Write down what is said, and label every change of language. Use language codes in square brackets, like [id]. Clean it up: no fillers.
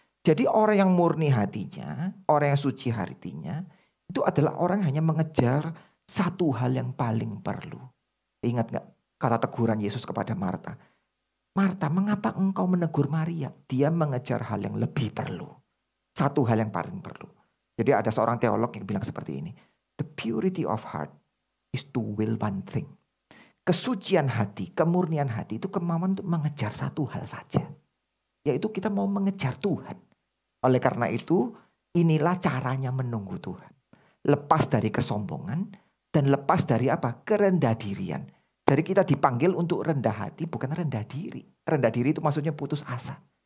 [id] Jadi orang yang murni hatinya, orang yang suci hatinya, itu adalah orang yang hanya mengejar 1 hal yang paling perlu. Ingat gak kata teguran Yesus kepada Martha? Martha, mengapa engkau menegur Maria? Dia mengejar hal yang lebih perlu. 1 hal yang paling perlu. Jadi ada seorang teolog yang bilang seperti ini. [en] The purity of heart is to will one thing. [id] Kesucian hati, kemurnian hati itu kemauan untuk mengejar 1 hal saja. Yaitu kita mau mengejar Tuhan. Oleh karena itu, inilah caranya menunggu Tuhan. Lepas dari kesombongan dan lepas dari apa? Kerendah dirian. Jadi kita dipanggil untuk rendah hati, bukan rendah diri. Rendah diri itu maksudnya putus asa.